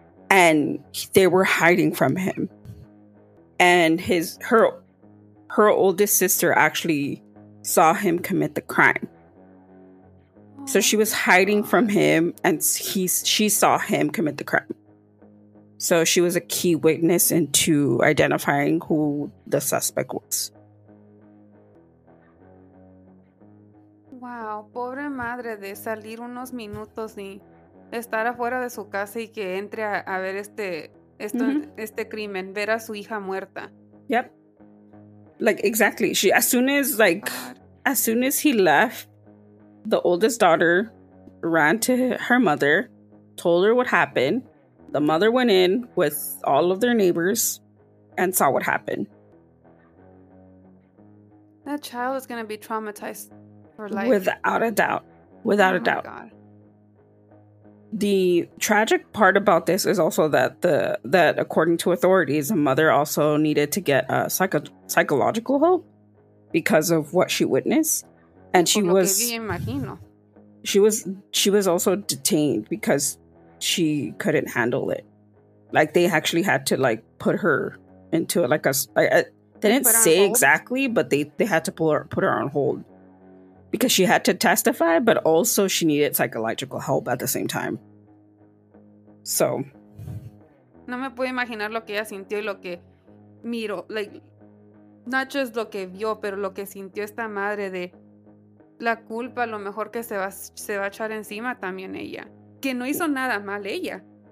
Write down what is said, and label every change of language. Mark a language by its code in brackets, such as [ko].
[en] And they were hiding from him. And her oldest sister actually saw him commit the crime. So she was hiding from him, and she saw him commit the crime. So she was a key witness into identifying who the suspect was. [es] Wow, pobre madre, de salir unos minutos y estar afuera de su casa y que entre a ver este crimen, ver a su hija muerta. [en] Yep. Like, exactly. As soon as he left, the oldest daughter ran to her mother, told her what happened. The mother went in with all of their neighbors and saw what happened. That child is going to be traumatized for life. Without a doubt. Without a doubt. Oh my God. The tragic part about this is also that that according to authorities, the mother also needed to get psychological help because of what she witnessed. And she was also detained because she couldn't handle it. Like, they actually had to like put her into it. They had to put her on hold because she had to testify, but also she needed psychological help at the same time. So, [es] no me puedo imaginar lo que ella sintió y lo que miró, [en] like, not just [es] lo que vio, pero lo que sintió esta madre, de la culpa, lo mejor que se va a echar encima también ella, que no hizo nada mal ella.